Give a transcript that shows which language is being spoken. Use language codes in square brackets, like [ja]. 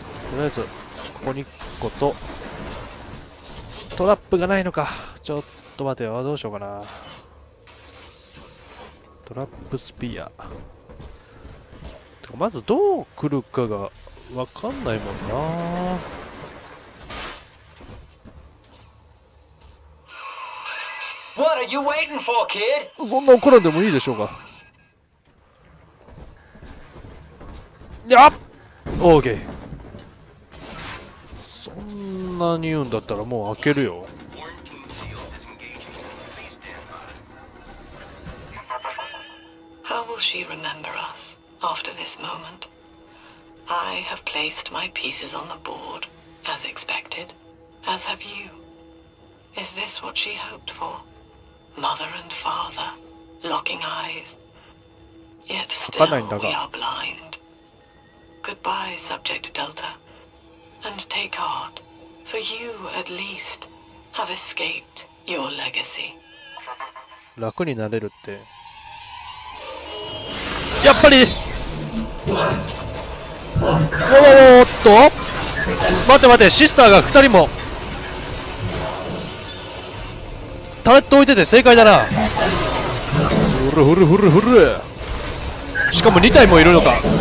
[ja] とりあえず、ここに1個と、トラップがないのか。ちょっと待てよ。どうしようかな。トラップスピア。てかまずどう来るかが分かんないもんな。 [en] What are you waiting for, kid? [ja] そんな怒らんでもいいでしょうか。やっ OK。そんなに言うんだったらもう開けるよ。 [en] She remember us after this moment. I have placed my pieces on the board, as expected, as have you. Is this what she hoped for? Mother and father, locking eyes. Yet still, we are blind. Goodbye, Subject Delta. And take heart, for you at least have escaped your legacy. [ja] 楽になれるって。やっぱり、おーっと、待て待て、シスターが2人も。タレット置いてて正解だな。フルフルフルフル、しかも2体もいるのか。